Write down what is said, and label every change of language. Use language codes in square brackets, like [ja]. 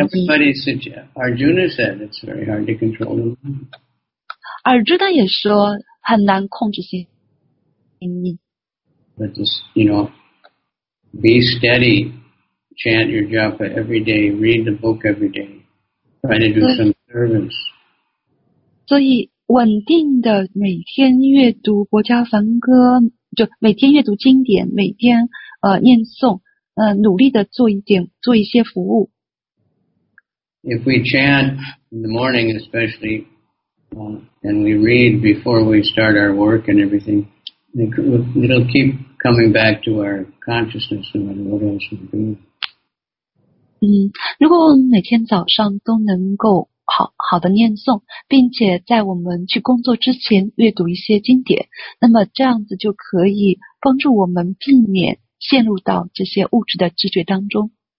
[en] Everybody suggests, Arjuna said it's very hard to control the mind. [zh] Arjuna 也说很难控制心意。 [en] But just, you know,be steady, chant your japa every day, read the book every day, try to do some service. [zh] 所以稳定的每天阅读国家梵歌，就每天阅读经典，每天念诵，努力的做一点，做一些服务。 [en] If we chant in the morning especially, and we read before we start our work and everything,it'll keep coming back to our consciousness no matter what else we do. [zh] 如果我们每天早上都能够 好的念诵，并且在我们去工作之前阅读一些经典，那么这样子就可以帮助我们避免陷入到这些物质的知觉当中。